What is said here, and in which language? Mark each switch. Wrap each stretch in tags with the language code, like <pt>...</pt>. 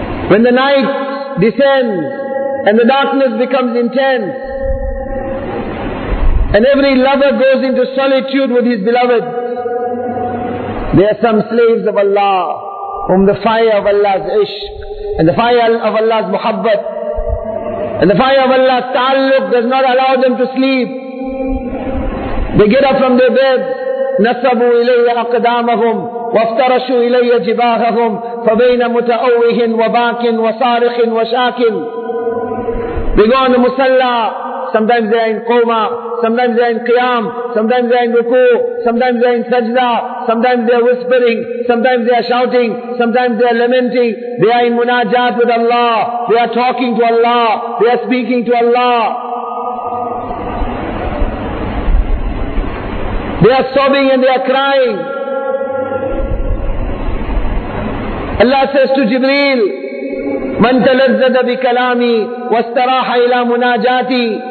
<en>When the night descends and the darkness becomes intense and every lover goes into solitude with his beloved, there are some slaves of Allah whom the fire of Allah's ishq and the fire of Allah's muhabbat and the fire of Allah's ta'alluq does not allow them to sleep. They get up from their bed,</en> <ar>نَصَبُوا إِلَيَّ أَقْدَامَهُمْ وَافْتَرَشُوا إِلَيَّ جِبَاهَهُمْ فَبَيْنَ مُتَأَوِّهٍ وَبَاكٍ وَصَارِخٍ وَشَاكٍ.</ar> <en>They go on the musalla, sometimes they are in coma, sometimes they are in qiyam, sometimes they are in ruku, sometimes they are in sajda, sometimes they are whispering, sometimes they are shouting, sometimes they are lamenting, they are in munajat with Allah, they are talking to Allah, they are speaking to Allah. They are sobbing and they are crying. Allah says to Jibreel,</en> <ar>مَنْ تَلَذَّذَ بِكَلَامِي وَاسْتَرَاحَ إِلَى مُنَاجَاتِي.</ar>